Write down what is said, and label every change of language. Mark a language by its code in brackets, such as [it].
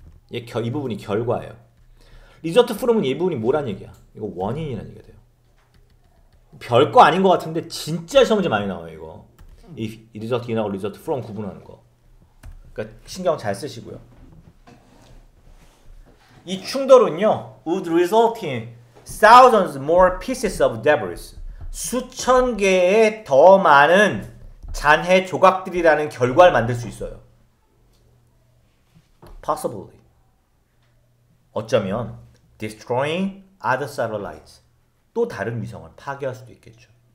[ko] 이 부분이 결과예요. result from은 이 부분이 뭐란 얘기야? 이거 원인이라는 얘기가 돼요. 별거 아닌 것 같은데 진짜 시험 문제 많이 나와요, 이거. result in하고 result from 구분하는 거. 그러니까 신경 잘 쓰시고요. 이 충돌은요, [en] would result in thousands more pieces of debris. [ko] 수천 개의 더 많은 잔해 조각들이라는 결과를 만들 수 있어요. [en] Possibly. [ko] 어쩌면, [en] destroying other satellites. [ko] 또 다른 위성을 파괴할 수도 있겠죠.